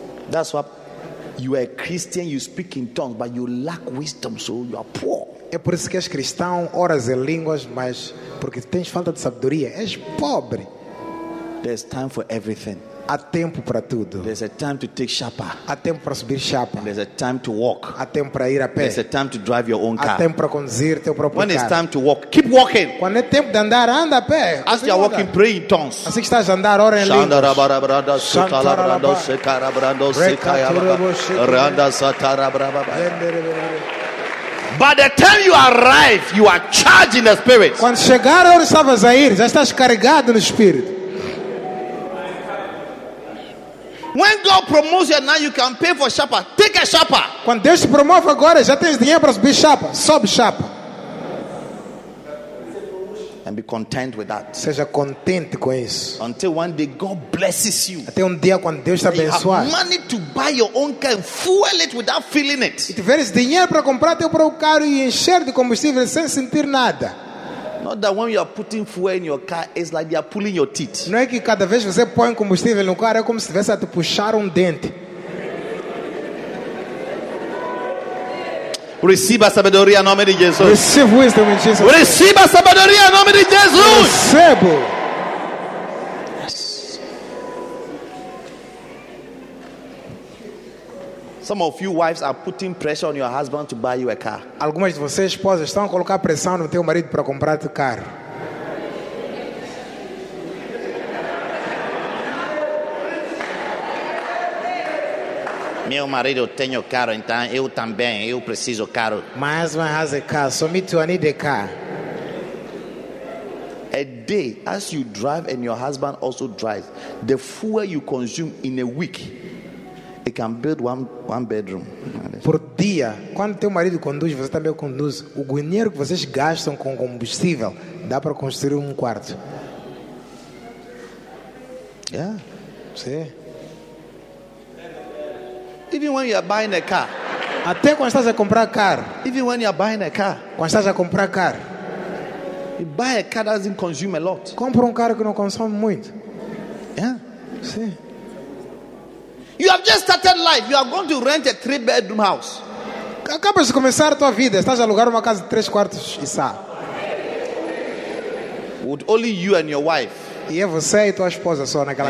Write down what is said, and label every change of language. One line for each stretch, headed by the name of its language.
English: That's why you are a Christian, you speak in tongues, but you lack wisdom, so you are poor.
Portuguese: É por isso que és cristão, oras em línguas, mas porque tens falta de sabedoria, és pobre.
English: There's time for everything.
Portuguese: Há tempo para tudo.
English: There's a time to take chapa.
Portuguese: Há tempo para subir chapa.
English: There's a time to walk.
Portuguese: Há tempo para ir a pé.
English: There's a time to drive your own car.
Portuguese: Há tempo para conduzir teu próprio
English: When
Portuguese: carro.
English: When it's time to walk, keep walking.
Portuguese: Quando é tempo de andar, anda a pé.
English: As you are walking, pray in tongues.
Portuguese: Assim que estás a andar, ora em línguas.
English: By the time you arrive, you are charged in the spirit.
Portuguese: Quando chegar onde estavas a ir, já estás carregado no espírito.
English: When God promotes you now, you can pay for chapa. Take a chapa.
Portuguese: Quando Deus te promove agora, já tens dinheiro para subir chapa. Sobe chapa.
English: And be content with that.
Portuguese: Seja contente com isso.
English: Until one day God blesses you.
Portuguese: Até dia quando Deus te abençoar.
English: You have money to buy your own car and fuel it without feeling it.
Portuguese: E tiveres dinheiro para comprar teu próprio carro e encher de combustível sem sentir nada.
English: Not that when you are putting fuel in your car, it's like they are pulling your teeth.
Portuguese: Não é que cada vez você põe combustível no carro é como se estivesse a te puxar dente. Receba sabedoria em nome de Jesus. Receba
English: wisdom in Jesus.
Portuguese: Receba sabedoria em nome de Jesus. Recebo.
English: Yes. Some of you wives are putting pressure on your husband to buy you a car.
Portuguese: Algumas de vocês esposas estão a colocar pressão no teu marido para comprar teu carro. Meu marido tem o carro, então eu também, eu preciso carro.
English: My husband has a car, so me too, I need a car. A day, as you drive and your husband also drives, the fuel you consume in a week, it can build one bedroom.
Portuguese: Por dia, quando teu marido conduz, você também conduz, o dinheiro que vocês gastam com combustível, dá para construir quarto.
English: Yeah.
Portuguese: Sim.
English: Even when you are buying a car.
Portuguese: Até quando estás a comprar carro.
English: Even when you are buying a car.
Portuguese: Quando estás a comprar carro.
English: You buy a car that doesn't consume a lot.
Portuguese: Compra carro que não consome muito.
English: Yeah.
Portuguese: Sim.
English: You have just started life. You are going to rent a 3-bedroom house.
Portuguese: Acabas de começar a tua vida. Estás a alugar uma casa de 3 quartos e sala. With only you and your wife. E é você e tua esposa só naquela